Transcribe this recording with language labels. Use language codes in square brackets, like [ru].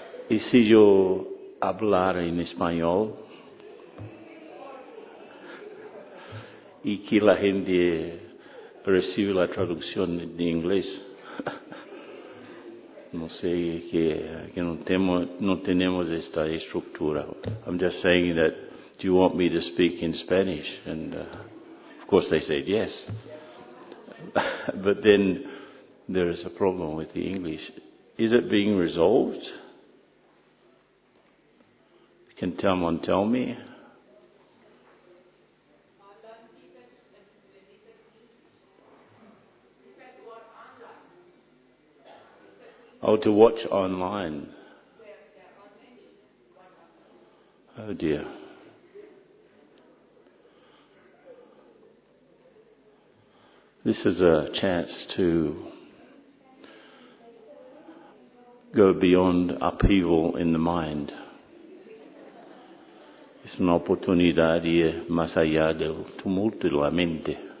[es] Y si yo hablar en español y que la gente recibe la traducción de inglés, no sé que no tenemos esta estructura. [en] I'm just saying that, do you want me to speak in Spanish? And of course they said yes. But then there is a problem with the English. Is it being resolved? Can someone tell me? Oh, to watch online. Oh dear. This is a chance to go beyond upheaval in the mind. [es] Es una oportunidad de ir más allá del tumulto de la mente.